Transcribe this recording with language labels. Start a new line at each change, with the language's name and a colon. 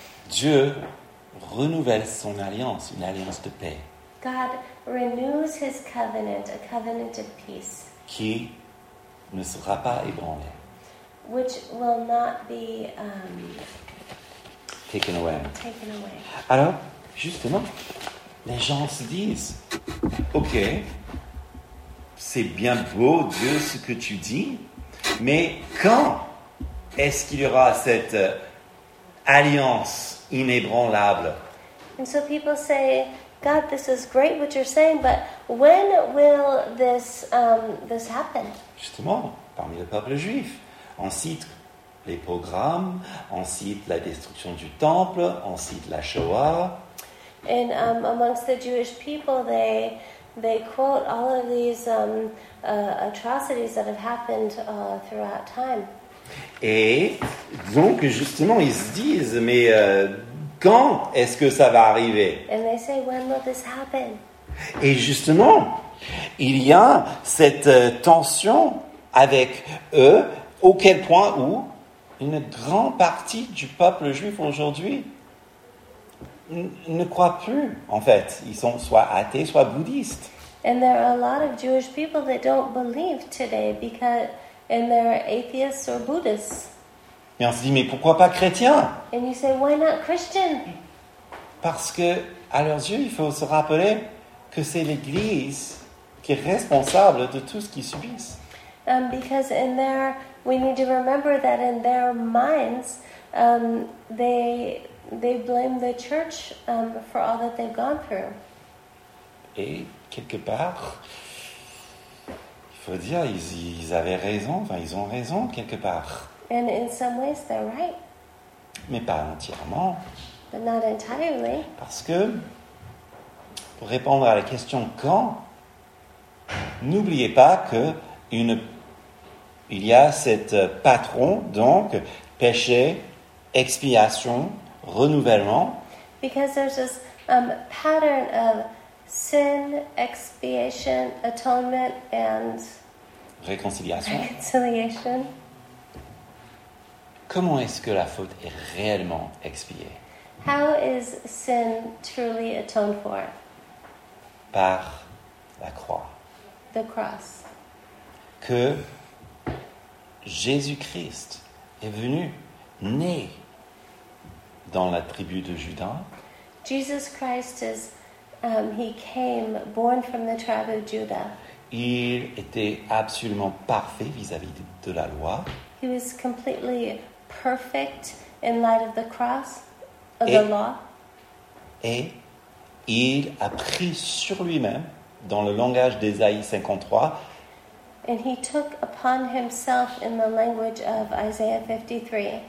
French: Dieu renouvelle son alliance, une alliance de paix.
English: God renews his covenant, a covenant of peace.
French: Qui ne sera pas ébranlé.
English: Which will not be taken away.
French: Alors, justement, les gens se disent, ok, c'est bien beau, Dieu, ce que tu dis, mais quand est-ce qu'il y aura cette alliance inébranlable?
English: And so people say, God, this is great what you're saying, but when will this this happen?
French: Justement, parmi le peuple juif, on cite les pogroms, on cite la destruction du temple, on cite la Shoah.
English: And amongst the Jewish people, they quote all of these atrocities that have happened throughout time.
French: Et donc, justement, ils se disent, mais quand est-ce que ça va arriver?
English: And they say, when will this happen?
French: Et justement, il y a cette tension avec eux, au quel point où une grande partie du peuple juif aujourd'hui ne croit plus, en fait. Ils sont soit athées, soit bouddhistes.
English: And there are a lot of Jewish people that don't believe today because and they're atheists or Buddhists.
French: Et on se dit, mais pourquoi pas chrétiens?
English: And you say, why not Christian?
French: Parce que, à leurs yeux, il faut se rappeler que c'est l'Église qui est responsable de tout ce qu'ils subissent.
English: Because in their, we need to remember that in their minds, they blame the church for all that they've gone through.
French: Et quelque part, il faut dire, ils avaient raison, enfin, ils ont raison quelque part.
English: And in some ways, they're right.
French: Mais pas entièrement.
English: But not entirely.
French: Parce que, pour répondre à la question quand, n'oubliez pas que il y a cette patron, donc, péché, expiation, renouvellement.
English: Because there's this pattern of sin, expiation, atonement, and réconciliation.
French: Comment est-ce que la faute est réellement expiée?
English: How is sin truly atoned for?
French: Par la croix.
English: The cross.
French: Que Jésus-Christ est venu, né dans la tribu de Judas.
English: Jesus Christ is he came born from the tribe of Judah.
French: Il était absolument parfait vis-à-vis de la loi.
English: He was completely perfect in light of the cross of the law.
French: Et il a pris sur lui-même dans le langage d'Ésaïe 53.
English: And he took upon himself in the language of Isaiah 53.